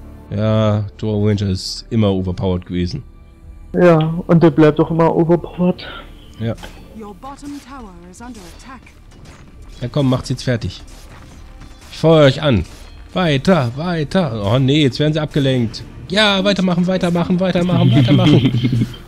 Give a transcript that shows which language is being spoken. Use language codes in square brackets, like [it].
[de] Ja, Draw Ranger ist immer overpowered gewesen. Ja, und der bleibt doch immer overpowered. Ja. [en] Your bottom tower is under attack. [de] Ja, komm, macht's jetzt fertig. Ich feuer euch an. Weiter, weiter. Oh nee, jetzt werden sie abgelenkt. Ja, weitermachen, weitermachen, weitermachen, weitermachen.